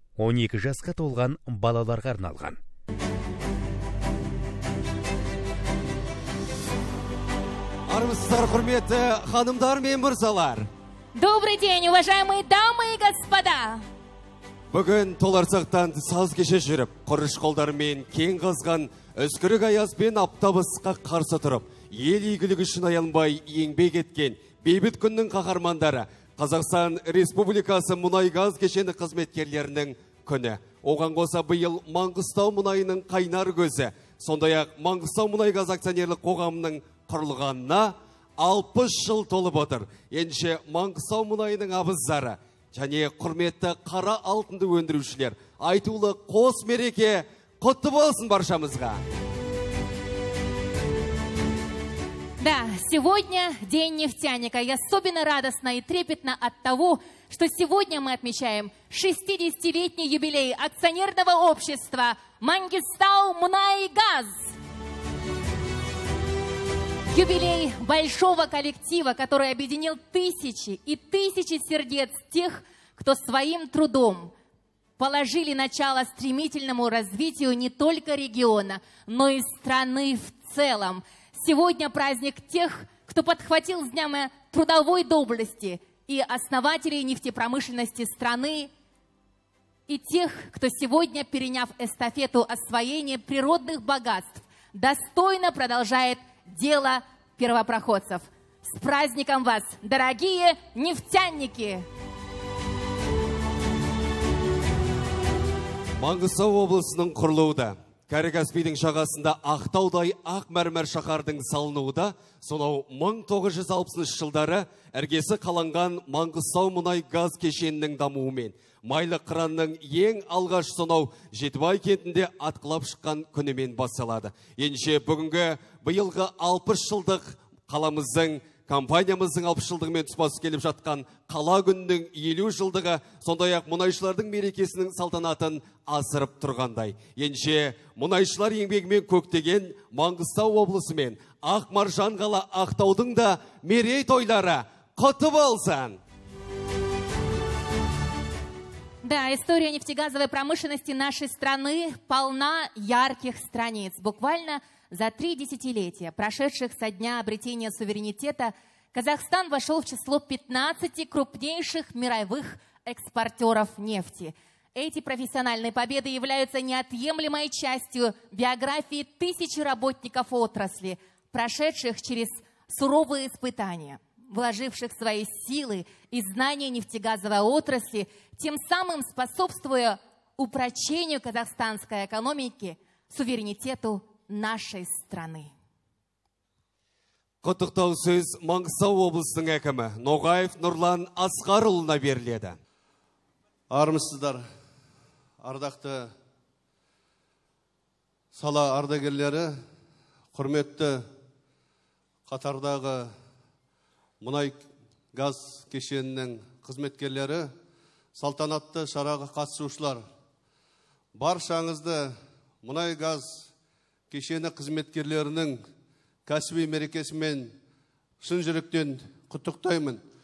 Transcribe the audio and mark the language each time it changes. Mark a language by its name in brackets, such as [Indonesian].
[Kazakh] 12 жасқа толған балаларға арналған. Армысыздар, құрметті ханымдар мен мырзалар. [Russian] Добрый день, уважаемые дамы и господа. [Kazakh] Бүгін толарсақтан саз кеше жүріп, құрыш қолдарымен кең қазған үскірік аяз бен аптап ыстыққа қарсы тұрып, ел игілігі үшін аянбай еңбек еткен бейбіт күннің қаһармандары, Қазақстан Республикасы мұнай-газ кешені қызметкерлерінің күні. Оған қоса биыл Маңғыстау мұнайының қайнар көзі, сондай-ақ Маңғыстау мұнай-газ акционерлік қоғамының құрылғанына 60 жыл толып отыр. Ендіше Маңғыстау мұнайының абыздары және құрметті қара алтынды өндірушілер, айтулы қос мереке құтты болсын баршамызға. [Russian] Да, сегодня день нефтяника. Я особенно радостна и трепетна от того, что сегодня мы отмечаем 60-летний юбилей акционерного общества «Маңғыстау мұнай газ». Юбилей большого коллектива, который объединил тысячи и тысячи сердец тех, кто своим трудом положили начало стремительному развитию не только региона, но и страны в целом. Сегодня праздник тех, кто подхватил знамя трудовой доблести и основателей нефтепромышленности страны, и тех, кто сегодня, переняв эстафету освоения природных богатств, достойно продолжает дело первопроходцев. С праздником вас, дорогие нефтяники! [Kazakh] Маңғыстау облысының құрылуында, Кәрі Каспийдің жағасында Ақтаудай ақ мәрмәр шаһардың салынуында сонау 1960 жылдары іргесі қаланған Маңғыстау мұнай газ кешенінің дамуымен майлы қыранның ең алғаш сонау Жетібай кентінде атқылап шыққан күнімен басталады. Ендіше бүгінгі биылғы 60 жылдық қаламыздың компаниямыздың 60 жылдығымен тұспасы келіп жатқан қала күнінің 50 жылдығы сондай-ақ мұнайшылардың мерекесінің салтанатын асырып тұрғандай. Ендіше мұнайшылар еңбегімен көктеген Маңғыстау облысы мен Ақ Маржан қала Ақтаудың да мерейтойлары құтты болсын. [Russian] Да, история нефтегазовой промышленности нашей страны полна ярких страниц. Буквально за три десятилетия, прошедших со дня обретения суверенитета, Казахстан вошел в число 15 крупнейших мировых экспортеров нефти. Эти профессиональные победы являются неотъемлемой частью биографии тысяч работников отрасли, прошедших через суровые испытания, вложивших свои силы и знания нефтегазовой отрасли, тем самым способствуя упрочению казахстанской экономики, суверенитету нашей страны. [Kazakh] Құттықтау сөз Маңғыстау облысының әкімі Ноғаев Нұрлан Асқарұлына беріледі. Армысыздар, ардақты сала ардагерлері, құрметті Қатардағы мұнай газ кешенінің қызметкерлері, салтанатты шараға қатысушылар, баршаңызды мұнай газ кешені қызметкерлерінің кәсіби мерекесімен шын жүректен құттықтаймын.